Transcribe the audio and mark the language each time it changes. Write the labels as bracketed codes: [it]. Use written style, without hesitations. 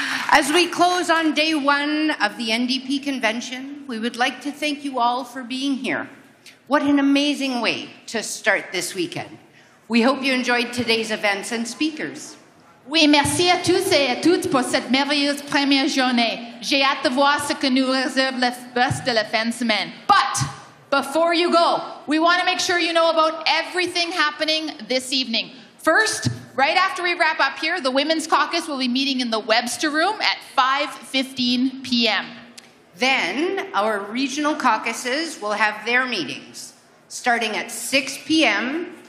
[en] As we close on day one of the NDP convention, we would like to thank you all for being here. What an amazing way to start this weekend. We hope you enjoyed today's events and speakers. [fr] Oui, merci à tous et à toutes pour cette merveilleuse première journée. J'ai hâte de voir ce que nous réserve le reste de la fin de semaine. [en] But before you go, we want to make sure you know about everything happening this evening. First, right after we wrap up here, the Women's Caucus will be meeting in the Webster Room at 5:15 p.m. Then our regional caucuses will have their meetings starting at 6 p.m.